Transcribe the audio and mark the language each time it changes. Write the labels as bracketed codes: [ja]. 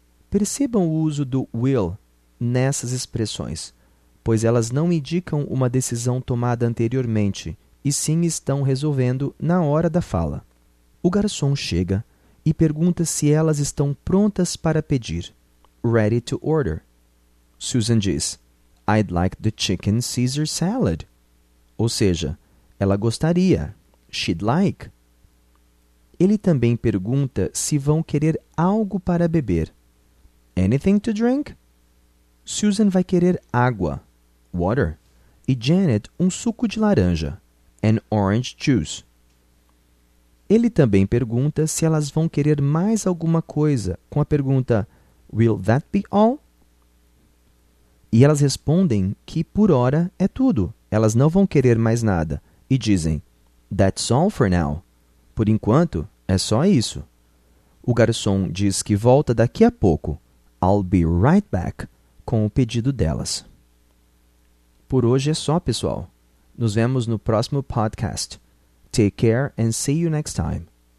[pt] Percebam o uso do will nessas expressões, pois elas não indicam uma decisão tomada anteriormente e sim estão resolvendo na hora da fala. O garçom chega e pergunta se elas estão prontas para pedir. [en] Ready to order. [pt] Susan diz, [en] I'd like the chicken Caesar salad. [pt] Ou seja, ela gostaria, [en] she'd like. [pt] Ele também pergunta se vão querer algo para beber. [en] Anything to drink? [pt] Susan vai querer água, water. E Janet, um suco de laranja, [en] an orange juice. [pt] Ele também pergunta se elas vão querer mais alguma coisa com a pergunta, [en] will that be all? [pt] E elas respondem que por hora é tudo. Elas não vão querer mais nada. E dizem, [en] that's all for now. [pt] Por enquanto, é só isso. O garçom diz que volta daqui a pouco. [en] I'll be right back [pt] com o pedido delas. Por hoje é só, pessoal. Nos vemos no próximo podcast. [en] Take care and see you next time.